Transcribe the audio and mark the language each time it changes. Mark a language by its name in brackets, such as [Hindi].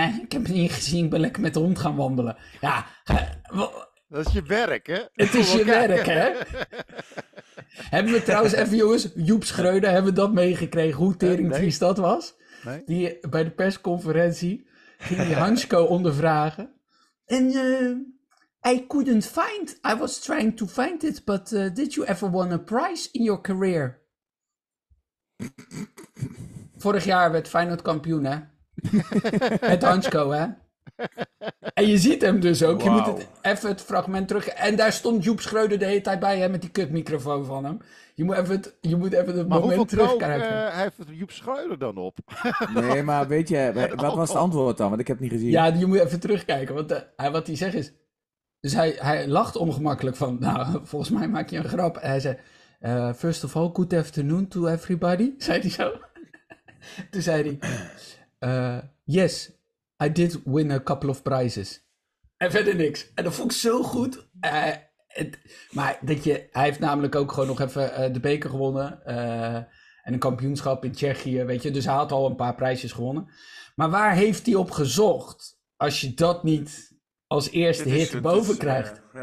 [Dutch] Ik heb het niet gezien, ik ben lekker met de hond gaan wandelen. Ja, dat is je werk, hè? Het is je werk, hè? Hebben we trouwens even, jongens, Joep Schreuder, hebben we dat meegekregen, hoe teringtriest dat was? Nee. Die bij de persconferentie ging die Hansko ondervragen. En [English] I couldn't find, I was trying to find it, but did you ever won a prize in your career? [Dutch] Vorig jaar werd Feyenoord kampioen, hè? Met Hansko, hè? En je ziet hem dus ook. Wow. Je moet het, even het fragment terug. En daar stond Joep Schreuder de hele tijd bij, hè, met die kutmicrofoon van hem. Je moet even het moment terugkrijgen. Maar hoeveel trouw heeft Joep Schreuder dan op? Nee, maar weet je, wat was het antwoord dan? Want ik heb het niet gezien. Ja, je moet even terugkijken. Want wat hij zegt is... Dus hij lacht ongemakkelijk van, nou, volgens mij maak je een grap. En hij zei, [English] first of all, good afternoon to everybody, [Dutch] zei hij zo. Toen zei hij, [English] yes, I did win a couple of prizes. [Dutch] En verder niks. En dat vond ik zo goed. Maar dat je, hij heeft namelijk ook gewoon nog even de beker gewonnen. En een kampioenschap in Tsjechië, weet je. Dus hij had al een paar prijsjes gewonnen. Maar waar heeft hij op gezocht als je dat niet... als eerste hit boven krijgt.